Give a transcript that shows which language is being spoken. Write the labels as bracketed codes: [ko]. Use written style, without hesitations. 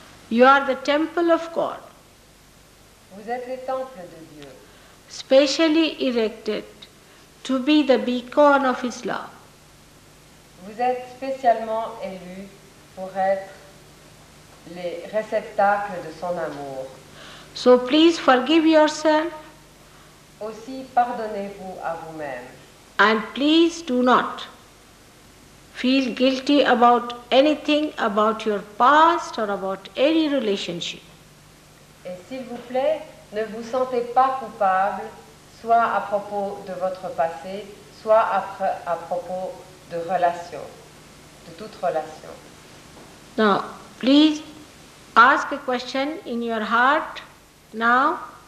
[en] You are the temple of God. [fr] Vous êtes le temple de Dieu. [en] Specially erected to be the beacon of His love. [fr] Vous êtes spécialement élu pour être les réceptacles de Son amour. [en] So please forgive yourself. [fr] Aussi pardonnez-vous à vous-même. [en] And please do not feel guilty about anything, about your past or about any relationship. [fr] Et s'il vous plaît, ne vous sentez pas coupable, soit à propos de votre passé, soit à propos de relations, de toute relation. [en] Now, please ask a question in your heart now.